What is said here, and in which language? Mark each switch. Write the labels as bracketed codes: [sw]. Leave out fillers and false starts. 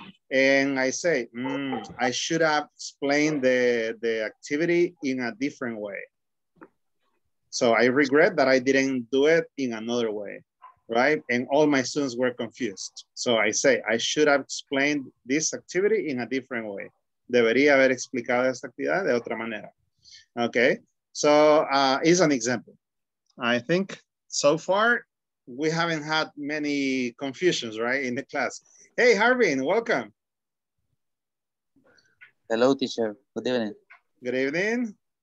[en] And I say, I should have explained the activity in a different way. So I regret that I didn't do it in another way, right? And all my students were confused. So I say, I should have explained this activity in a different way. [es] Debería haber explicado esta actividad de otra manera. [en] Okay, so is an example. I think so far we haven't had many confusions, right, in the class. Hey, Harvin, welcome. Hello, teacher. Good evening. Good evening.